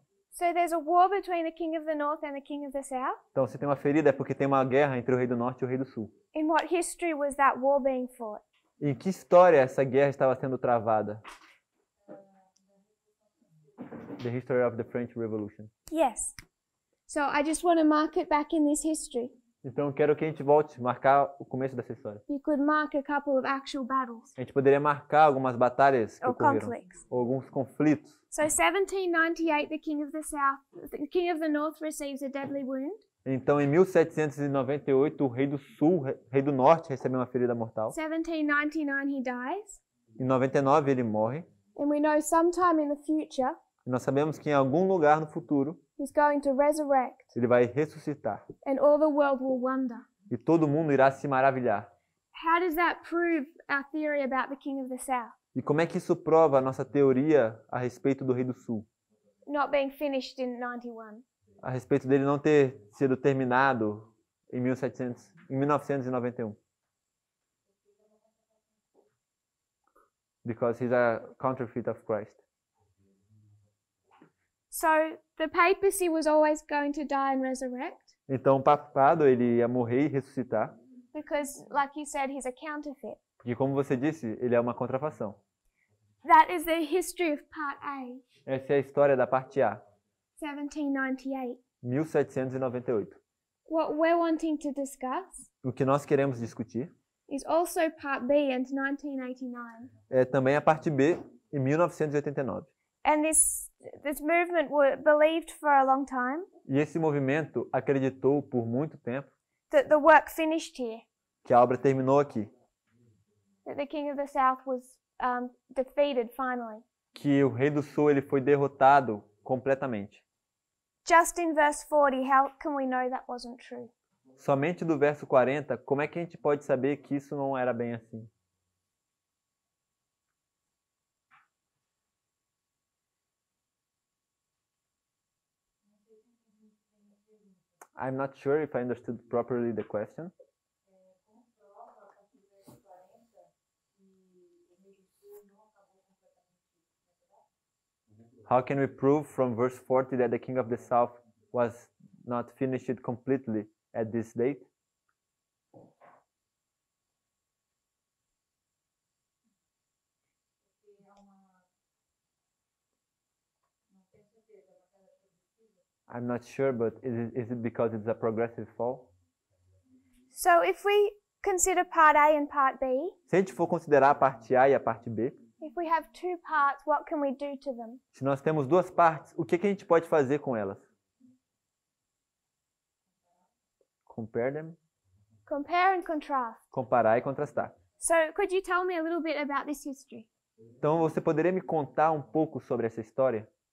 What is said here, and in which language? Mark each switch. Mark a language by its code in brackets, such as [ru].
[en] So there's a war between the King of the North and the King of the South? [pt] Então, se tem uma ferida, é porque tem uma guerra entre o Rei do Norte e o Rei do Sul. [en] In what history was that war being fought? [pt] Em que história essa guerra estava sendo travada? [en] The history of the French Revolution. Yes. So I just want to mark it back in this history. [pt] Então quero que a gente volte a marcar o começo dessa história. [en] You could mark a couple of actual battles. [pt] A gente poderia marcar algumas batalhas que [en] or [pt] ocorreram. [en] Conflicts. [pt] Ou alguns conflitos. [en] So 1798, the king of the north receives a deadly wound. [pt] Então, em 1798, o rei do norte recebe uma ferida mortal. [en] 1799, he dies. [pt] Em 99, ele morre. [en] And we know sometime in the future. [pt] E nós sabemos que em algum lugar no futuro. [en] He's going to resurrect. [pt] Ele vai ressuscitar. [en] And all the world will wonder. [pt] E todo mundo irá se maravilhar. [en] How does that prove our theory about the King of the South? [pt] E como é que isso prova a nossa teoria a respeito do Rei do Sul? [en] Not being finished in 91. [pt] A respeito dele não ter sido terminado em 1991. [en] Because he's a counterfeit of Christ. So the papacy was always going to die and resurrect. [pt] Então o papado ele ia morrer e ressuscitar. [en] Because, like you said, he's a counterfeit. [pt] Porque como você disse, ele é uma contrafação. [en] That is the history of part A. [pt] Essa é a história da parte A. [en] 1798. What we're wanting to discuss. [pt] O que nós queremos discutir. [en] Is also part B and 1989. [pt] É também a parte B em 1989. [en] And this movement was believed for a long time. [pt] E esse movimento acreditou por muito tempo. [en] That the work finished here. [pt] Que a obra terminou aqui. [en] That the King of the South was defeated finally. [pt] Que o Rei do Sul ele foi derrotado completamente. [en] Just in verse 40, how can we know that wasn't true? [pt] Somente do verso 40, como é que a gente pode saber que isso não era bem assim? [en] I'm not sure if I understood properly the question. How can we prove from verse 40 that the King of the South was not finished completely at this date? I'm not sure, but is it because it's a progressive fall? So if we consider part A and part B, [pt] se a gente for considerar a parte A e a parte B, [en] if we have two parts, what can we do to them? [pt] Se nós temos duas partes, o que que a gente pode fazer com elas? [en] Compare them. Compare and contrast. [pt] Comparar e contrastar. [en] So, could you tell me a little bit about this history? [pt] Então, você poderia me contar um pouco sobre essa história?